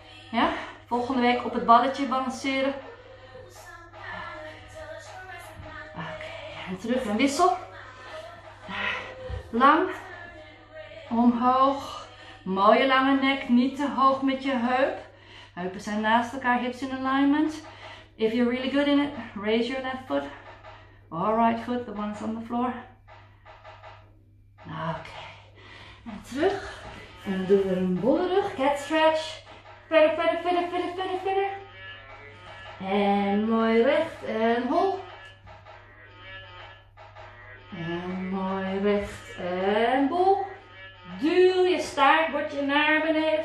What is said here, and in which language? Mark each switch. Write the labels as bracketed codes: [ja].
[nl] Ja, volgende week op het balletje balanceren. Oké, en terug en wissel. Lang, omhoog, mooie lange nek, niet te hoog met je heup. Heupen zijn naast elkaar, [en] hips in alignment. If you're really good in it, raise your left foot. Or right foot, the one's on the floor. [nl] Oké. En terug. En we doen een bolle rug, cat stretch. Verder, verder, verder, verder, verder, verder. En mooi recht en hol. En mooi recht en bol. Duw je staart, word je naar beneden.